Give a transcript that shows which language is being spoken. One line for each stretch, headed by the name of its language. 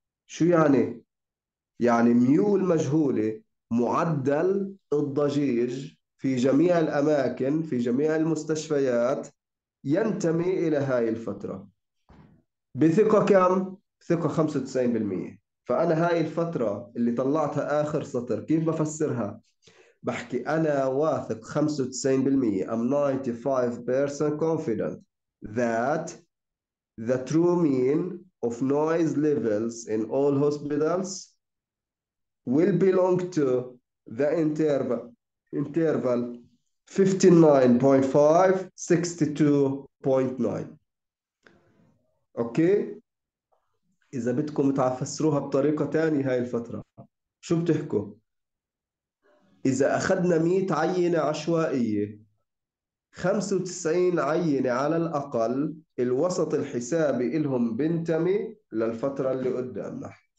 Arabic: شو يعني؟ يعني ميو المجهولة معدل الضجيج في جميع الأماكن في جميع المستشفيات ينتمي إلى هاي الفترة بثقة كم؟ ثقة 95%. فأنا هاي الفترة اللي طلعتها آخر سطر كيف بفسرها؟ بحكي أنا واثق 95%،
English: I'm 95% confident that the true mean of noise levels in all hospitals will belong to the interval 59.5 62.9.
Arabic: اوكي، اذا بدكم تفسروها بطريقه ثانيه هاي الفتره شو بتحكوا؟ اذا اخذنا 100 عينه عشوائيه، 95 عينه على الاقل الوسط الحسابي لهم بنتمي للفتره اللي قدامنا.